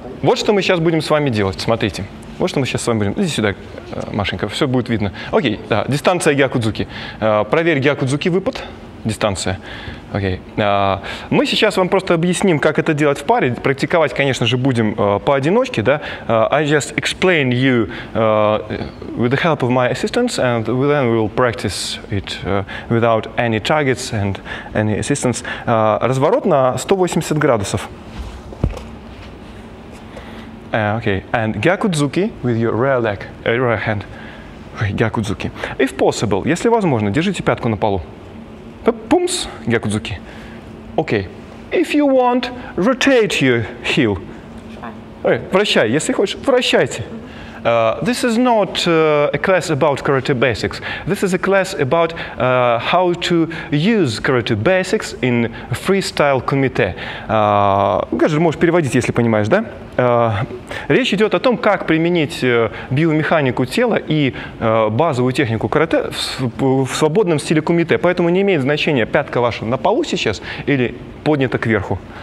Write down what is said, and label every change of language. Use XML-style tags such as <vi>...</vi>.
<ru>Вот что мы сейчас будем с вами делать, смотрите. Вот что мы сейчас с вами будем... Иди сюда, Машенька, все будет видно. Окей, да, дистанция Гиакудзуки. Проверь Гиакудзуки выпад, дистанция. Окей. Мы сейчас вам просто объясним, как это делать в паре. Практиковать, конечно же, будем поодиночке, да.</ru> <en>I just explain you with the help of my assistants, and then we will practice it without any targets and any assistants.</en> <ru>Разворот на 180 градусов.</ru> <en>Okay, and Gyakudzuki with your rear leg, rear hand.</en> <ru>Gyakudzuki.</ru> <en>If possible,</en> <ru>если возможно, держите пятку на полу.</ru> <en>Пумс, Gyakudzuki. Okay. If you want, rotate your heel.</en> <ru>Вращай, если хочешь, вращайте.</ru> <en>This is not a class about karate basics. This is a class about how to use karate basics in freestyle kumite.</en> <ru>Гаджер, можешь переводить, если понимаешь, да? Речь идет о том, как применить биомеханику тела и базовую технику карате в свободном стиле кумите. Поэтому не имеет значения, пятка ваша на полу сейчас или поднята кверху.</ru>